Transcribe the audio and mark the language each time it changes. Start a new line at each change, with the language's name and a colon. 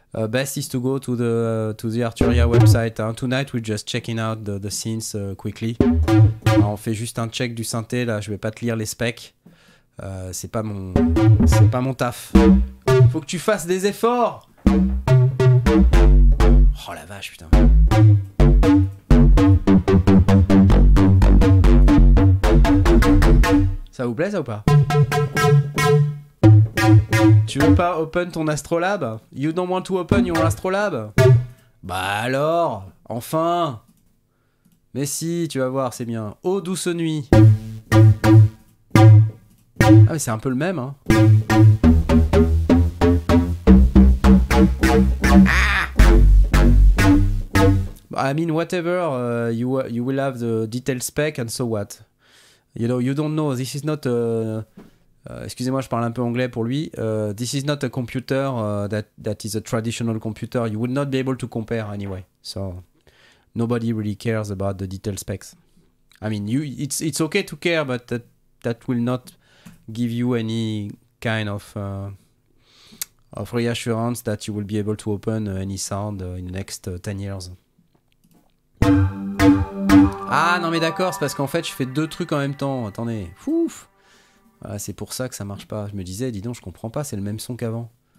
English: Best is to go to the Arturia website. Hein. Tonight we're just checking out the synths quickly.
French: On fait juste un check du synthé là. Je vais pas te lire les specs. C'est pas mon taf. Faut que tu fasses des efforts. Oh la vache putain. Ça vous plaît ça ou pas? Tu veux pas open ton Astrolab?
English: You don't want to open your Astrolab?
French: Bah alors, enfin! Mais si, tu vas voir, c'est bien. Oh, douce nuit! Ah, mais c'est un peu le même, hein.
English: Ah! I mean, whatever, you will have the detailed spec and so what. You know, you don't know, this is not...
French: excusez-moi, je parle un peu anglais pour lui.
English: This is not a computer that is a traditional computer. You would not be able to compare anyway. So nobody really cares about the detailed specs. I mean, it's okay to care, but that will not give you any kind of reassurance that you will be able to open any sound in the next 10 years.
French: Ah non mais d'accord, c'est parce qu'en fait je fais deux trucs en même temps. Attendez, fouf. Voilà, c'est pour ça que ça marche pas. Je me disais, dis donc, je comprends pas, c'est le même son qu'avant.